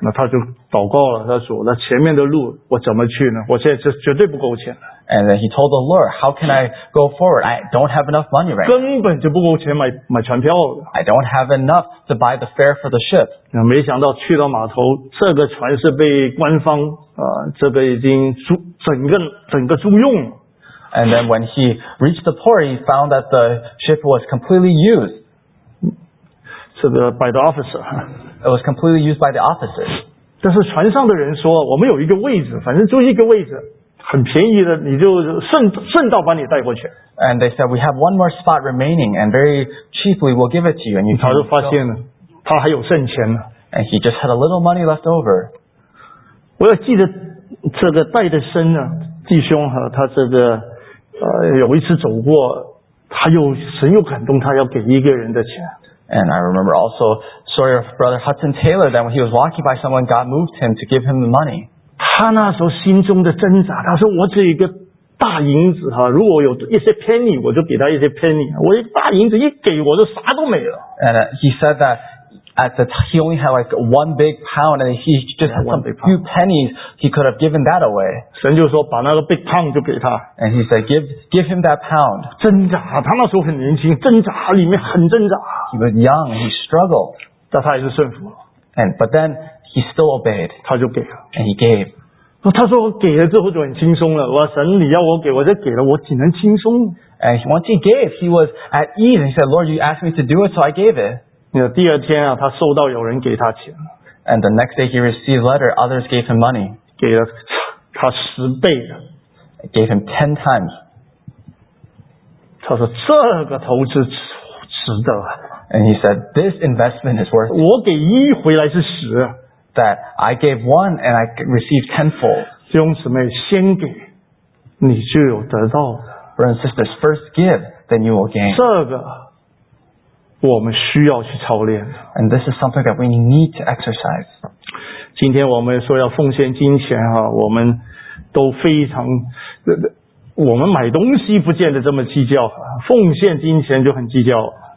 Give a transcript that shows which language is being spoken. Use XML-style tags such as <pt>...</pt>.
<zh>那他就祷告了，他说那前面的路我怎么去呢？我现在绝对不够钱。</zh> <en>And then he told the Lord, how can I go forward? I don't have enough money right now.</en> <zh>根本就不够钱买船票了。</zh> <en>I don't have enough to buy the fare for the ship.</en> <zh>没想到去到码头，这个船是被官方这个已经整个租用了。</zh> <en>And then when he reached the port, he found that the ship was completely used. So by the officer. It was completely used by the officer.</en> <zh>但是船上的人说，我们有一个位置，反正就一个位置，很便宜的，你就顺道把你带过去。</zh> <en>And they said, we have one more spot remaining, and very cheaply we'll give it to you. And you</en> <zh>他就发现他还有剩钱。</zh> <en>And he just had a little money left over.</en> <zh>我要记得这个带的身啊，弟兄和他这个有一次走过，他又神又感动他要给一个人的钱。</zh> <en>And I remember also story of Brother Hudson Taylor that when he was walking by someone, God moved him to give him the money.</en> <zh>他那时候心中的挣扎，他说我只有一个大银子哈，如果有一些 penny， 我就给他一些 penny。我一大银子一给，我就啥都没了。</zh> <en>And he said that at the he only had like one big pound, and he just had some few pennies. He could have given that away.</en> <zh>神就说把那个</zh> <en>big pound</en> <zh>就给他。</zh> <en>And he said, give him that pound.</en> <zh>挣扎，他那时候很年轻，挣扎里面很挣扎。</zh> <en>He was young, he struggled.</en> <zh>但他也是顺服。</zh> <en>And but then he still obeyed.</en> <zh>他就给了。</zh> <en>And he gave.</en> <zh>他说我给了之后就很轻松了，我神你要我给我就给了，我岂能轻松。</zh> <en>And once he gave, he was at ease. And he said, Lord, you asked me to do it, so I gave it.</en> <zh>第二天啊，他收到有人给他钱。</zh> <en>And the next day he received a letter, others gave him money.</en> <zh>给了他十倍的。</zh> <en>Gave him 10 times.</en> <zh>他说这个投资值得。</zh> <en>And he said, this investment is worth it.</en> <zh>我给一回来是十。</zh> <en>That I gave one and I received tenfold.</en> <zh>弟兄姊妹，先给，你就有得到的。</zh> <en>Brothers and sisters, first give, then you will gain.</en> <zh>这个我们需要去操练。</zh> <en>And this is something that we need to exercise.</en> <zh>今天我们说要奉献金钱啊，我们都非常，我们买东西不见得这么计较，奉献金钱就很计较。</zh>